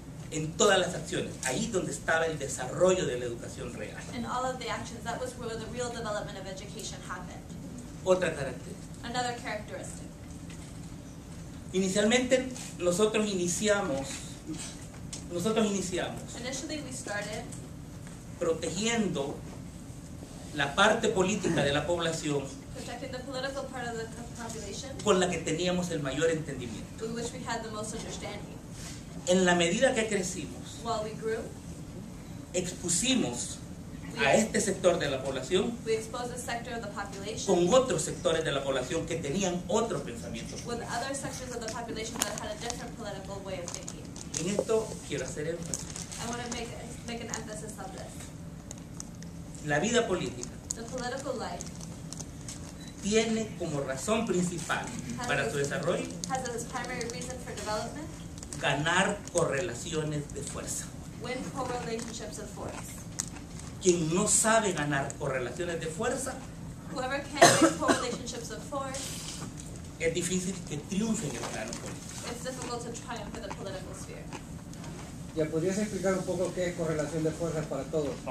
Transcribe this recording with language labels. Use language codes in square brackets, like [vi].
[es] En todas las acciones, ahí donde estaba el desarrollo de la educación real. [en] In all of the actions, that was where the real development of education happened. [es] Otra característica. [en] Another characteristic. [es] Inicialmente, nosotros iniciamos. [en] Initially, we started [es] protegiendo la parte política de la población. [en] Protecting the political part of the population. [es] Con la que teníamos el mayor entendimiento. [en] With which we had the most understanding. [es] En la medida que crecimos, [en] while we grew, [es] expusimos a este sector de la población, [en] we exposed the sector of the population, [es] con otros sectores de la población que tenían otro pensamiento político. [en] With other sections of the population that had a different political way of thinking. [es] En esto quiero hacer énfasis. [en] I want to make an emphasis on this. [es] La vida política, [en] the political life, [es] tiene como razón principal para su desarrollo, [en] has as primary reason for development, [es] ganar correlaciones de fuerza. [en] Win correlations of force. [es] Quien no sabe ganar correlaciones de fuerza, [en] whoever can't win correlations of force, [es] es difícil que triunfe en el plano político. [en] It's difficult to triumph in the political sphere. [es] ¿Ya podrías explicar un poco qué es correlación de fuerza para todos?